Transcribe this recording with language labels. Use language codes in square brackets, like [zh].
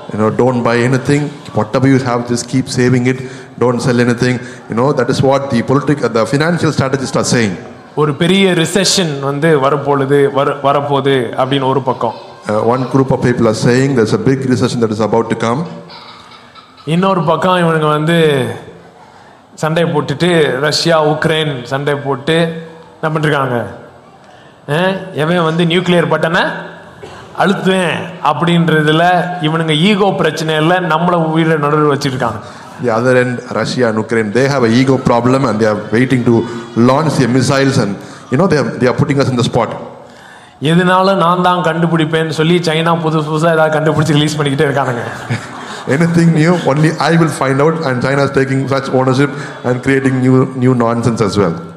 [en] You know, don't buy anything, whatever you have just keep saving it, don't sell anything, you know, that is what the political the financial strategist are saying. [ta] ஒரு பெரிய recession வந்து வரப்போகுது அப்படின்னு ஒரு பக்கம், [en] one group of people are saying there's a big recession that is about to come. [ta] இன்னொரு பக்கம் இவங்க வந்து சண்டை போட்டுட்டு ரஷ்யா உக்ரைன் சண்டை போட்டு நம்பிட்டுருக்காங்க. எவன் வந்து நியூக்ளியர் பட்டனை அழுத்துவேன் அப்படின்றதுல இவனுங்க ஈகோ பிரச்சனையில் நம்மளை உயிரை நடுவில் வச்சுருக்காங்க. [en] The other end, Russia and Ukraine, they have an ego problem and they are waiting to launch their missiles and, you know, they are putting us in the spot. [ta] எதனால நான் தான் கண்டுபிடிப்பேன் சொல்லி சைனா புது புதுசா ஏதாவது கண்டுபிடிச்சு ரிலீஸ் பண்ணிக்கிட்டே இருக்காங்க. [en] Anything new, only I will find out, and China is taking such ownership and creating new nonsense as well.